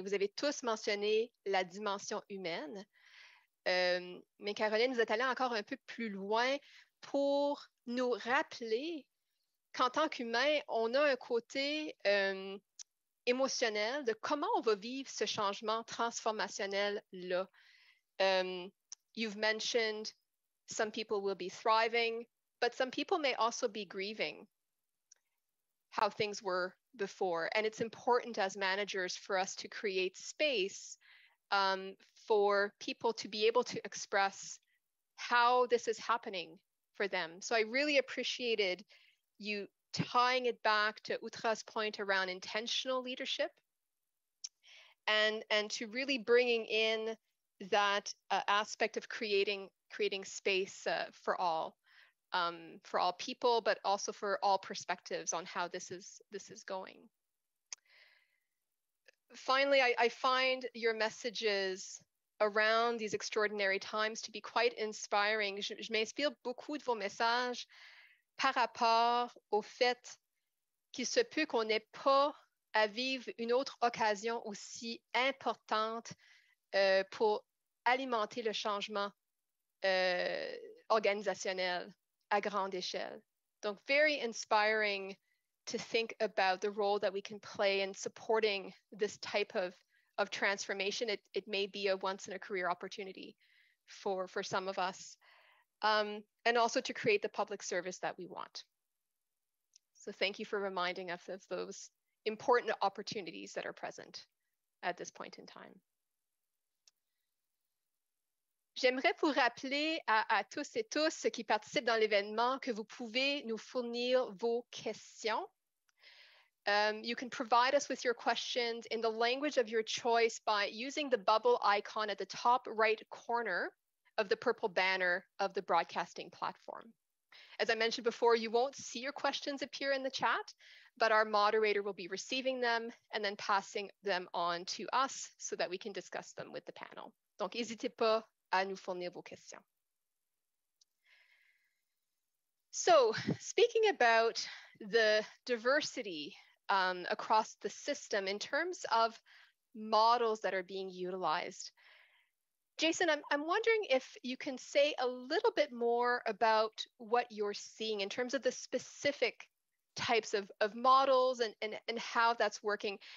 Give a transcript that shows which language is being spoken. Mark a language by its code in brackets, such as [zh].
[fr] Vous avez tous mentionné la dimension humaine. Mais Caroline, vous êtes allée encore un peu plus loin pour nous rappeler qu'en tant qu'humain, on a un côté émotionnelle de comment on va vivre ce changement transformationnel-là. [en] You've mentioned some people will be thriving, but some people may also be grieving how things were before. And it's important as managers for us to create space for people to be able to express how this is happening for them. So I really appreciated you tying it back to Outre's point around intentional leadership and to really bringing in that aspect of creating space for all people, but also for all perspectives on how this is going. Finally, I find your messages around these extraordinary times to be quite inspiring. [fr] Je m'inspire beaucoup de vos messages par rapport au fait qu'il se peut qu'on n'ait pas à vivre une autre occasion aussi importante pour alimenter le changement organisationnel à grande échelle. [en] Donc, very inspiring to think about the role that we can play in supporting this type of transformation. It may be a once in a career opportunity for some of us. And also to create the public service that we want. So thank you for reminding us of those important opportunities that are present at this point in time. [fr] J'aimerais vous rappeler à tous et tous ceux qui participent dans l'événement que vous pouvez nous fournir vos questions. [en] You can provide us with your questions in the language of your choice by using the bubble icon at the top right corner of the purple banner of the broadcasting platform. As I mentioned before, you won't see your questions appear in the chat, but our moderator will be receiving them and then passing them on to us so that we can discuss them with the panel. [fr] Donc, n'hésitez pas à nous fournir vos questions. [en] So, speaking about the diversity across the system in terms of models that are being utilized, Jason, I'm wondering if you can say a little bit more about what you're seeing in terms of the specific types of models and how that's working.